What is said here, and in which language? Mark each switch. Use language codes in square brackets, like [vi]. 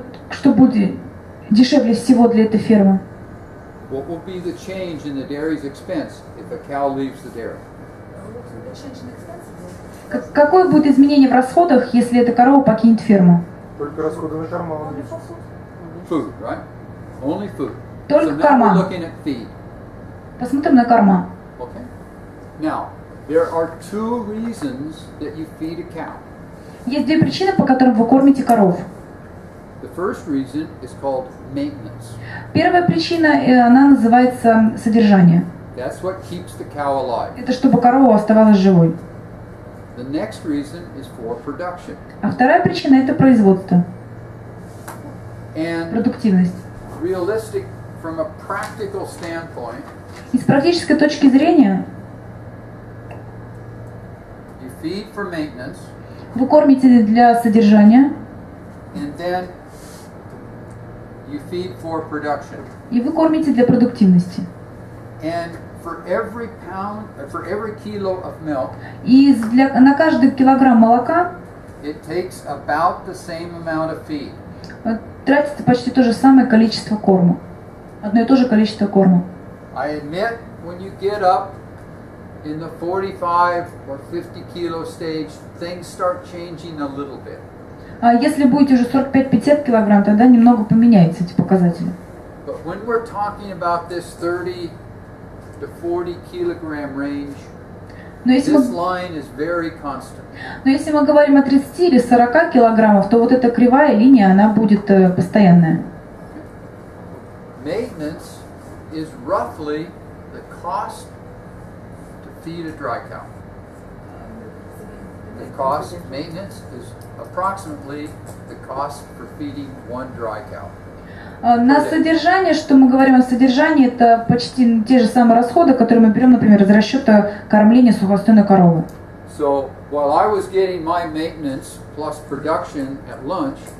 [ru] Что будет дешевле всего для этой фермы? [en] What will be the change in the dairy's expense if a cow leaves the dairy? [ru] Какое будет изменение в расходах, если эта корова покинет ферму? Только расходы на корма. [en] Food, right? Only food. [ru] Только корма. [en] So now we're looking at feed. [ru] Посмотрим на корма. [en] Okay. Now, there are two reasons that you feed a cow. [ru] Есть две причины, по которым вы кормите коров. [en] The first reason is called maintenance. [ru] Первая причина, она называется содержание. [en] That's what keeps the cow alive. [ru] Это чтобы корова оставалась живой. [en] The next reason is for production. [ru] А вторая причина – это производство. [en] And [ru] продуктивность. [en] Realistic, from a practical standpoint, [ru] из практической точки зрения, [en] you feed for maintenance, [ru] вы кормите для содержания, [en] and then you feed for production. [ru] И вы кормите для продуктивности. [en] And for every pound, for every kilo of milk, [ru] и на каждый килограмм молока [en] it takes about the same amount of feed. [ru] Тратится почти то же самое количество корма. Одно и то же количество корма. [en] I admit, when you get up in the 45 or 50 kilo stage, things start changing a little bit. [ru] А если будете уже 45-50 килограмм, тогда немного поменяются эти показатели. [en] But when we're talking about this 30 to 40 kilogram range, this line is very constant. [ru] Но если мы говорим о 30 или 40 килограммов, то вот эта кривая линия, она будет постоянная. [en] Maintenance is roughly the cost to feed a dry cow. The cost of maintenance is approximately the cost for feeding one dry cow. [ru] На содержание, что мы говорим о содержании, это почти те же самые расходы, которые мы берем, например, из расчета кормления сухостойной коровы. [en] So while I was getting my maintenance plus production at lunch,